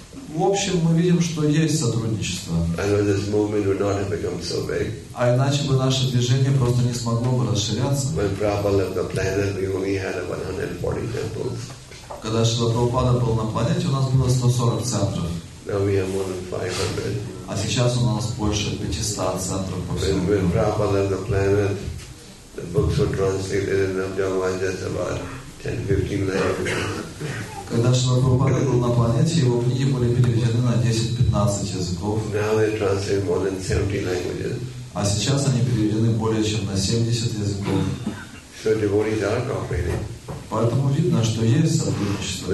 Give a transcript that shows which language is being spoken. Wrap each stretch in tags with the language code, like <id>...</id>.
<ru>В общем, мы видим, что есть сотрудничество.</ru> <en>This movement would not have become so big.</en> <ru>А иначе бы наше движение просто не смогло бы расширяться.</ru> <en>When Prabhupada left the planet, we only had 140 temples.</en> <ru>Когда Шрила Прабхупада был на планете, у нас было 140 центров.</ru> <en>Now we have more than 500.</en> <ru>А сейчас у нас больше 500 центров по всему.</ru> <en>When Prabhupada left the planet, the books were translated in Navjavan just about 10-15 languages.</en> <ru>Когда Шрила Прабхупада был на планете, его книги были переведены на 10-15 языков.</ru> <en>Now they translate more than 70 languages.</en> <ru>А сейчас они переведены более чем на 70 языков.</ru> <en>So devotees are cooperating.</en> <ru>Поэтому видно, что есть сотрудничество.</ru>